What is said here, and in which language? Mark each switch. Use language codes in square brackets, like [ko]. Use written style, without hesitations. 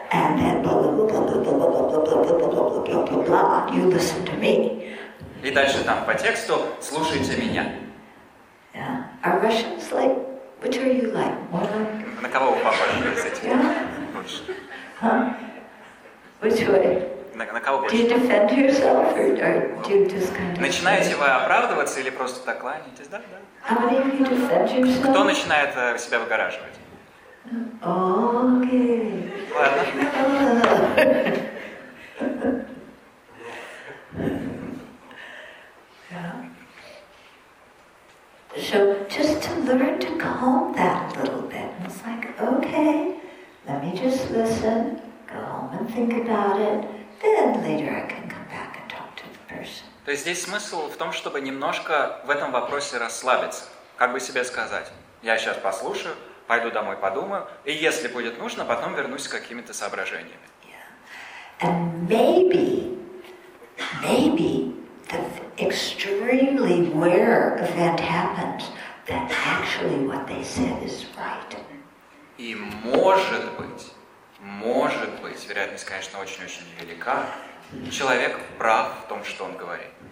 [en] And then blah blah blah blah blah blah blah blah blah blah blah. You listen to me. [ru] И дальше там по тексту слушайте меня. [en] Yeah. Are Russians like, which are you like? [ru] На кого вы похожи из этих? [en] Yeah. Huh? Which way? [ru] На кого больше? [en] Do you defend yourself or do you just kind of? [ru] Начинаете вы оправдываться или просто так кланяетесь? Да, да. [en] How many of you defend yourself? [ru] Кто начинает себя выгораживать? [en] Okay. [ru] Ладно. [en] So just to learn to calm that a little bit. It's like, okay, let me just listen, go home and think about it. Then later I can come back and talk to the person. [ru] То есть здесь смысл в том, чтобы немножко в этом вопросе расслабиться. Как бы себе сказать, я сейчас послушаю, пойду домой подумаю, и если будет нужно, потом вернусь с какими-то соображениями. [en] Yeah. And maybe the extremely rare event happens that actually what they said is right. [ru] И может быть, вероятность, конечно, очень-очень велика, человек прав в том, что он говорит.